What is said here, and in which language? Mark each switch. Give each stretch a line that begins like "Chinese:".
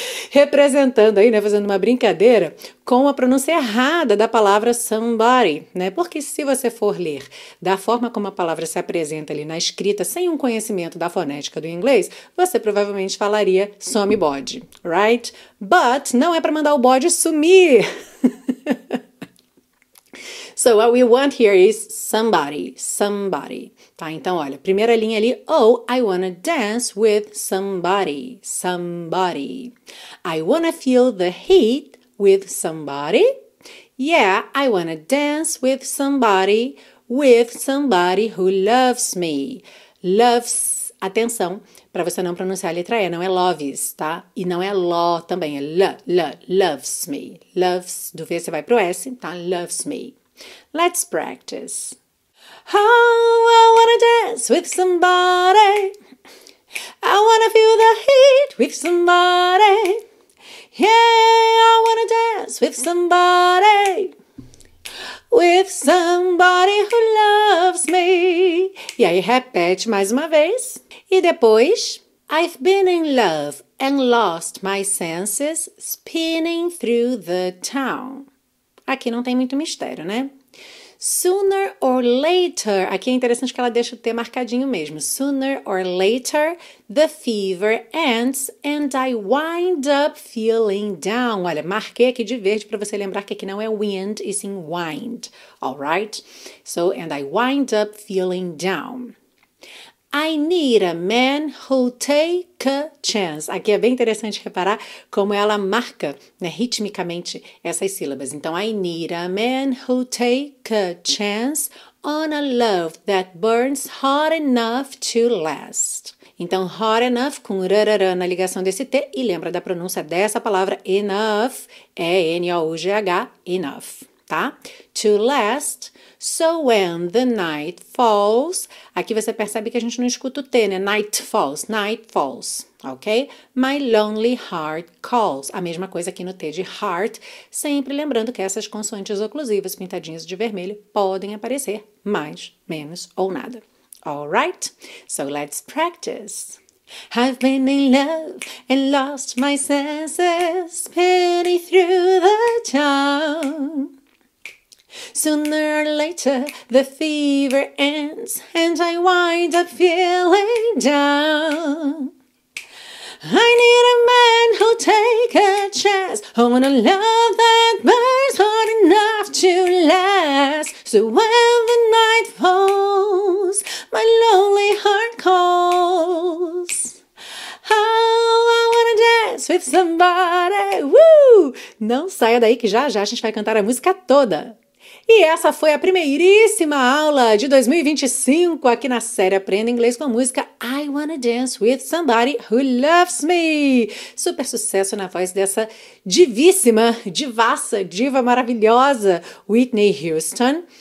Portuguese: Representando aí, né, fazendo uma brincadeira com a pronúncia errada da palavra somebody, né? Porque se você for ler da forma como a palavra se apresenta ali na escrita, sem um conhecimento da fonética do inglês, você provavelmente falaria
English: some body, right?
Portuguese: But não é para mandar o body sumir.
English: So what we want here is somebody, somebody.
Portuguese: Tá, então olha, primeira linha ali,
English: oh, I wanna dance with somebody, somebody. I wanna feel the heat with somebody. Yeah, I wanna dance with somebody who loves me.
Portuguese: Loves, atenção, para você não pronunciar a letra E, não é loves, tá? E não é lo também, é l, l, loves me. Loves, do V você vai pro S, tá?
English: Loves me. Let's practice. Oh, I wanna dance with somebody. I wanna feel the heat with somebody. Yeah, I wanna dance with somebody. With somebody who loves me.
Portuguese: E aí repete mais uma vez. E depois,
English: I've been in love and lost my senses spinning through the town.
Portuguese: Aqui não tem muito mistério, né?
English: Sooner or later,
Portuguese: aqui é interessante que ela deixa o T marcadinho mesmo.
English: Sooner or later, the fever ends and I wind up feeling down.
Portuguese: Olha, marquei aqui de verde para você lembrar que aqui não é wind, e sim wind.
English: Alright? So, and I wind up feeling down. I need a man who take a chance.
Portuguese: Aqui é bem interessante reparar como ela marca, né, ritmicamente essas sílabas.
English: Então, I need a man who take a chance on a love that burns hot enough to last.
Portuguese: Então, hot enough com rararã na ligação desse T. E lembra da pronúncia dessa palavra, enough. É N-O-U-G-H, enough. Tá?
English: To last, so when the night falls,
Portuguese: aqui você percebe que a gente não escuta o T, né?
English: Night falls, ok? My lonely heart calls,
Portuguese: a mesma coisa aqui no T de heart, sempre lembrando que essas consoantes oclusivas pintadinhas de vermelho podem aparecer mais, menos ou nada.
English: Alright? So let's practice. I've been in love and lost my senses, spinning through the town. Sooner or later, the fever ends, and I wind up feeling down. I need a man who'll take a chance on a love that burns hard enough to last. So when the night falls, my lonely heart calls. Oh, I wanna dance with somebody. Woo!
Portuguese: Não saia daí que já já a gente vai cantar a música toda. E essa foi a primeiríssima aula de 2025 aqui na série Aprenda Inglês com a Música I Wanna Dance With Somebody Who Loves Me. Super sucesso na voz dessa divíssima, divaça, diva maravilhosa, Whitney Houston.